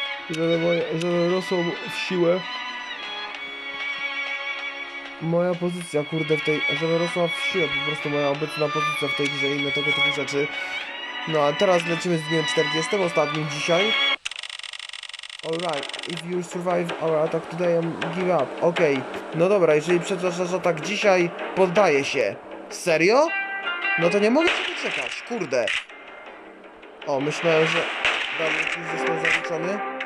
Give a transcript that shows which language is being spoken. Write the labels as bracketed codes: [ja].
[pl] Żeby rosło w siłę. Moja pozycja, kurde, w tej, żeby rosła w siłę, po prostu moja obecna pozycja w tej grze i na tego typu rzeczy. No a teraz lecimy z dniem 40, ostatnim dzisiaj. [en] Alright, if you survive our attack today, I'm give up. [pl] Okej, okay. No dobra, jeżeli przetrwasz atak dzisiaj, poddaję się. Serio? No to nie mogę się doczekać, kurde. O, myślałem, że dalej ci został zaliczony.